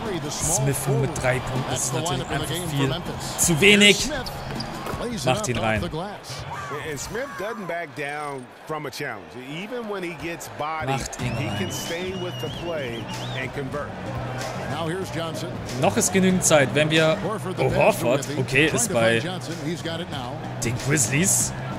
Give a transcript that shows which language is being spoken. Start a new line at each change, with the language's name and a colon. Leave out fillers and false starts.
German: Smith mit 3 Punkten, das ist natürlich einfach viel zu wenig. Macht ihn rein.
English: And Smith doesn't back down from a challenge. Even when he gets bodied, he can stay with the play and convert. Now here's Johnson.
German: Noch ist genügend Zeit, wenn wir... Oh, Horford, okay, ist bei den Grizzlies.